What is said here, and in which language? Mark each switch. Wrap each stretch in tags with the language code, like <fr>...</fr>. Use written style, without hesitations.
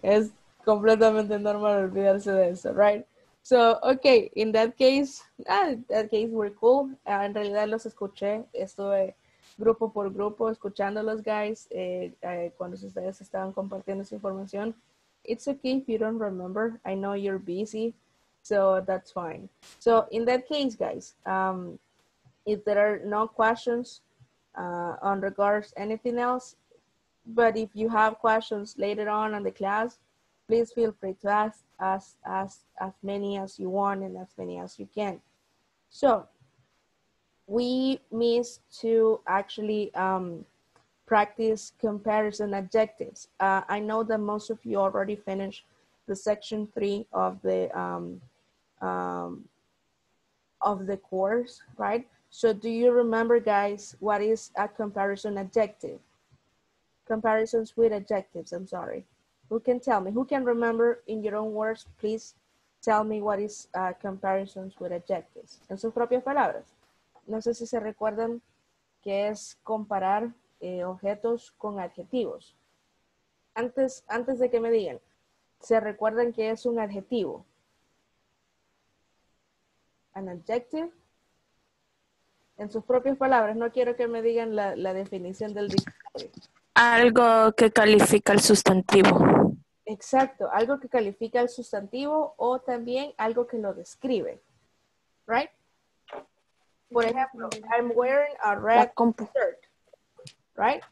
<es>Es completamente normal olvidarse de eso,</es> <en>right? So, okay, in that case, we're cool.</en> <es>En realidad los escuché. Estuve grupo por grupo, escuchando a los guys cuando ustedes estaban compartiendo esa información.</es> <en>It's okay if you don't remember. I know you're busy, so that's fine. So in that case, guys, if there are no questions on regards anything else, but if you have questions later on in the class, please feel free to ask as many as you want and as many as you can. So we missed to actually practice comparison adjectives. I know that most of you already finished the section 3 of the course, right? So do you remember, guys, what is a comparison adjective? Comparisons with adjectives, I'm sorry. Who can tell me? Who can remember in your own words? Please tell me what is comparisons with adjectives.</en> <es>En sus propias palabras. No sé si se recuerdan que es comparar objetos con adjetivos. Antes de que me digan, ¿se recuerdan que es un adjetivo?</es> <en>An adjective.</en> <es>En sus propias palabras, no quiero que me digan la definición del diccionario. Algo que califica el sustantivo. Exacto, algo que califica el sustantivo o también algo que lo describe.</es> <en>Right?</en> <es>Por ejemplo,</es> <en>I'm wearing a red shirt, right?</en>